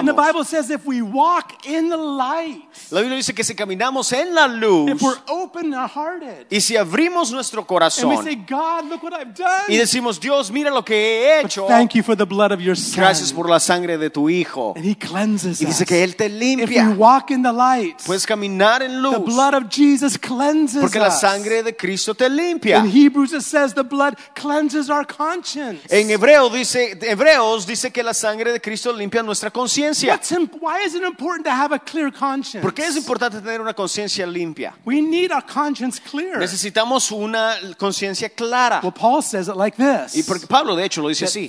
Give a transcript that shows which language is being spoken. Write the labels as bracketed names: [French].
[English] And the Bible says if we walk in the light, [Spanish] la Biblia dice que si caminamos en la luz, [English] if we're open-hearted, [Spanish] y si abrimos nuestro corazón, [English] and we say, God, look what I've done, [Spanish] y decimos, Dios, mira lo que he hecho, [English] but thank you for the blood of your son. [Spanish] Gracias por la sangre de tu hijo. [English] And he cleanses us. [Spanish] Y dice que él te limpia. [English] If we walk in the light, [Spanish] puedes caminar en luz. [English] The blood of Jesus cleanses [Spanish] porque [English] us. [Spanish] La sangre de Cristo. [English] In Hebrews it says the blood cleanses our conscience. [Spanish] En Hebreo dice, Hebreos dice que la sangre de Cristo limpia nuestra conciencia. [English] Why is it important to have a clear conscience? [Spanish] ¿Por qué es importante tener una conciencia limpia? [English] We need our conscience clear. [Spanish] Necesitamos una conciencia clara. [English] Well, Paul says it like this. [Spanish] Y porque Pablo de hecho lo dice así.